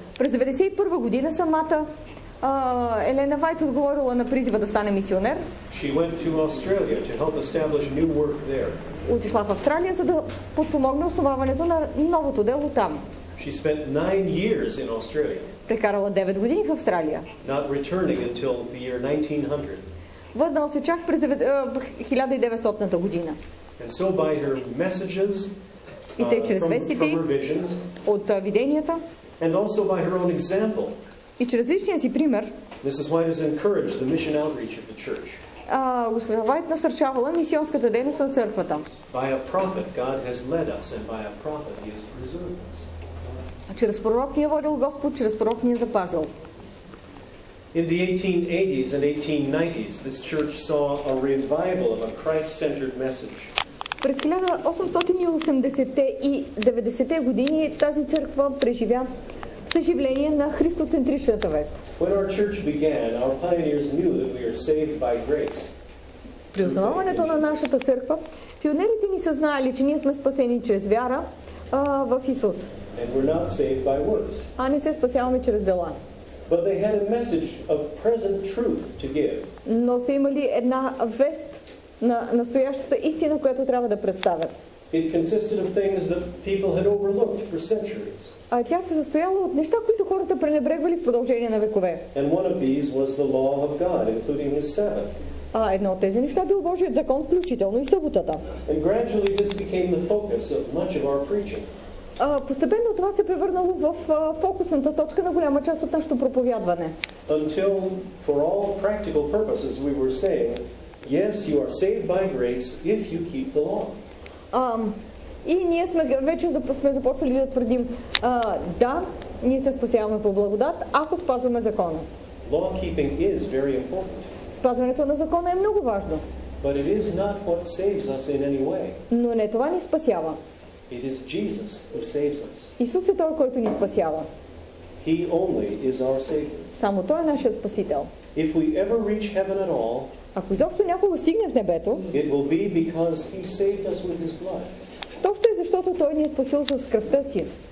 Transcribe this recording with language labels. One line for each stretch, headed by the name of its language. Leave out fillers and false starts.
Bulgarian: През 91-ва година самата Елена Вайт отговорила на призива да стане мисионер.
English: She went to Australia to help establish new work there.
Bulgarian: Отишла в Австралия, за да подпомогне основаването на новото дело там.
English: She spent 9 years in Australia.
Bulgarian: Прекарала 9 години в Австралия.
English: Not returning until the year 1900.
Bulgarian: Върнала се чак през 1900-та година.
English: And so by her messages,
Bulgarian: и те чрез вестите, от виденията,
English: and also by her own example,
Bulgarian: и чрез личния си пример,
English: Mrs. White has encouraged the mission outreach of the church.
Bulgarian: Госпожа Вайт насърчавала мисионската дейност на църквата.
English: By a prophet God has led us, and by a prophet He has preserved us.
Bulgarian: Чрез пророк ни е водил Господ, чрез пророк ни е запазил.
English: In the 1880s and 1890s, this church saw a revival of a Christ-centered message.
Bulgarian: През 1880-те и 90-те години тази църква преживя съживление на христоцентричната вест.
English: When our church began, our pioneers knew that we are saved by grace.
Bulgarian: При основаването на нашата църква, пионерите ни са знали, че ние сме спасени чрез вяра в Исус.
English: And we're not saved by works.
Bulgarian: А не се спасяваме чрез дела.
English: But they had a message of present truth to give.
Bulgarian: Но са имали една вест на настоящата истина, която трябва да представят.
English: It consisted of things that people had overlooked for centuries.
Bulgarian: А тя се състояла от неща, които хората пренебрегвали в продължение на векове.
English: And one of these was the law of God, including his Sabbath.
Bulgarian: А едно от тези неща бил Божият закон, включително и съботата.
English: And gradually this became the focus of much of our preaching.
Bulgarian: Постепенно това се превърнало в фокусната точка на голяма част от нашето проповядване.
English: Until, for all practical purposes, we were saying, yes, you are saved by grace if you keep the law.
Bulgarian: И ние сме започвали да твърдим, да, ние се спасяваме по благодат, ако спазваме закона.
English: Law keeping is very important.
Bulgarian: Спазването на закона е много важно.
English: But it is not what saves us in any way.
Bulgarian: Но не това ни спасява.
English: It is Jesus who saves us.
Bulgarian: Исус е Той, който ни спасява.
English: He only is our Savior.
Bulgarian: Само Той е нашият Спасител.
English: If we ever reach heaven at all,
Bulgarian: ако изобщо някога стигне в небето,
English: it will be because He saved us with His blood.
Bulgarian: Точно е защото Той ни е спасил с кръвта си.